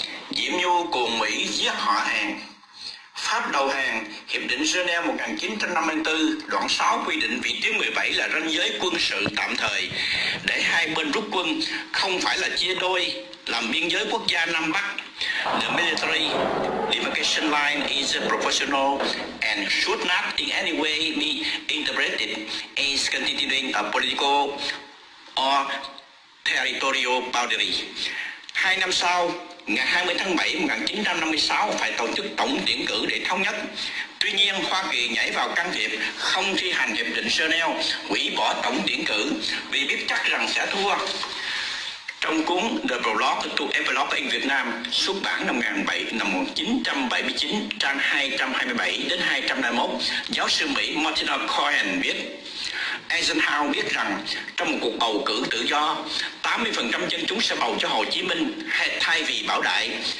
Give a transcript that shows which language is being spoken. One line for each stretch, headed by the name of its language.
Vietnamese: Diễm Nhu cùng Mỹ giết họ Hàng. Pháp đầu hàng, Hiệp định Geneva 1954, đoạn 6 quy định vị trí 17 là ranh giới quân sự tạm thời, để hai bên rút quân, không phải là chia đôi, làm biên giới quốc gia Nam Bắc.
English: The military demarcation line is proportional and should not in any way be interpreted as constituting a political or territorial boundary.
Vietnamese: Hai năm sau, ngày 20 tháng 7 1956 phải tổ chức tổng tuyển cử để thống nhất. Tuy nhiên, Hoa Kỳ nhảy vào can thiệp, không thi hành hiệp định Geneva, hủy bỏ tổng tuyển cử vì biết chắc rằng sẽ thua. Trong cuốn The Prologue to Epilogue in Vietnam, xuất bản năm 1979, trang 227 đến 221, giáo sư Mỹ Martin Cohen viết: Eisenhower biết rằng trong một cuộc bầu cử tự do, 80% dân chúng sẽ bầu cho Hồ Chí Minh thay vì Bảo Đại.